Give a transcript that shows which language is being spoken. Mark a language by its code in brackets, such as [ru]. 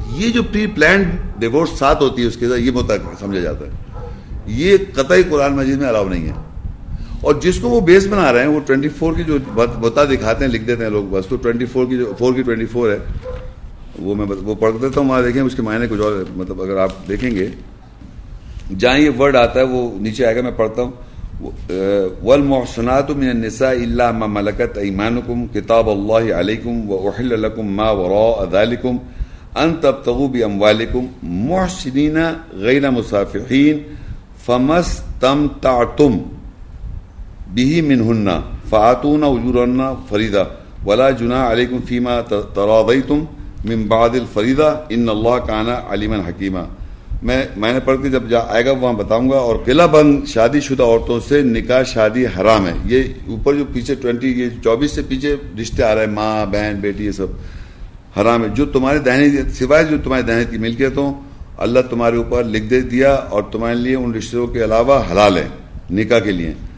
[ur] یہ جو پری planned divorce ساتھ ہوتی ہے اس کے ساتھ یہ متعلق سمجھا جاتا ہے, یہ قطعی قرآن مجید میں الاؤ نہیں ہے. اور جس کو وہ بیس بنا رہے ہیں وہ 24 کی جو متا دکھاتے ہیں لکھ دیتے ہیں لوگ بس, تو 24 کی جو 4 کی 24 ہے وہ میں وہ پڑھ دیتا ہوں, وہاں دیکھیں اس کے معنی کچھ اور, مطلب اگر آپ دیکھیں گے جہاں یہ ورڈ آتا ہے وہ نیچے آئے گا, میں پڑھتا ہوں. [ar] والمحصنات من النساء الا ما ملكت ايمانكم كتاب الله عليكم واحل لكم ما وراء ذلك ان تبتغوا باموالكم محصنين غير مسافحين فما استمتعتم به منهن فاعطونا اجورنا فريضه ولا جناح عليكم فيما تراضيتم من بعد الفريضه ان الله كان عليما حكيما. [ur] میں نے پڑھ کے جب آئے گا وہاں بتاؤں گا. اور قلعہ بند شادی شدہ عورتوں سے نکاح شادی حرام ہے, یہ اوپر جو پیچھے 24 سے پیچھے رشتے آ رہے ہیں ماں بہن بیٹی یہ سب حرام ہے, جو تمہارے دہنی سوائے جو تمہارے دہنی کی ملکیت ہوں اللہ تمہارے اوپر لکھ دے دیا اور تمہارے لیے ان رشتوں کے علاوہ حلال ہیں نکاح کے لیے.